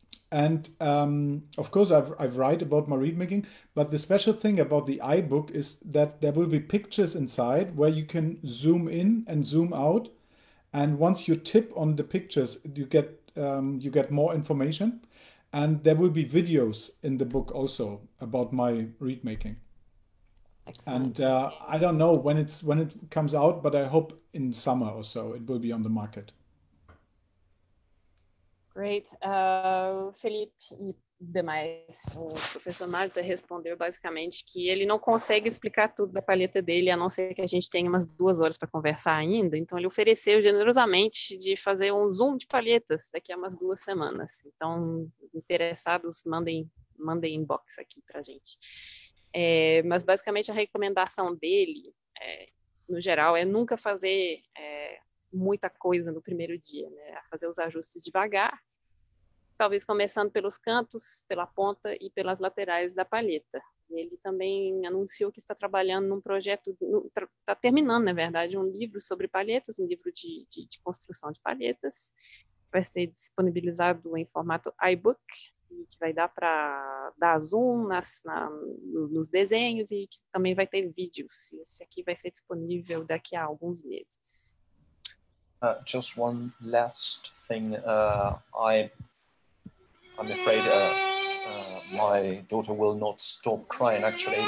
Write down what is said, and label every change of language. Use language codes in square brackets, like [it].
[en] And of course, I've write about my reed making, but the special thing about the iBook is that there will be pictures inside where you can zoom in and zoom out, and once you tip on the pictures, you get more information, and there will be videos in the book also about my reed making. Excellent. And I don't know when it comes out, but I hope in summer or so it will be on the market. Great. [pt] Felipe e demais, o professor Marta respondeu basicamente que ele não consegue explicar tudo da palheta dele, a não ser que a gente tenha umas 2 horas para conversar ainda. Então, ele ofereceu generosamente de fazer um Zoom de palhetas daqui a umas 2 semanas. Então, interessados, mandem inbox aqui para a gente. É, mas, basicamente, a recomendação dele, no geral, é nunca fazer muita coisa no primeiro dia, né? A fazer os ajustes devagar, talvez começando pelos cantos, pela ponta e pelas laterais da palheta. Ele também anunciou que está trabalhando num projeto, está terminando, na verdade, um livro sobre palhetas, um livro de construção de palhetas, vai ser disponibilizado em formato iBook, e que vai dar para dar zoom nos desenhos e que também vai ter vídeos. Esse aqui vai ser disponível daqui a alguns meses. [en] Just one last thing. I'm afraid my daughter will not stop crying, actually.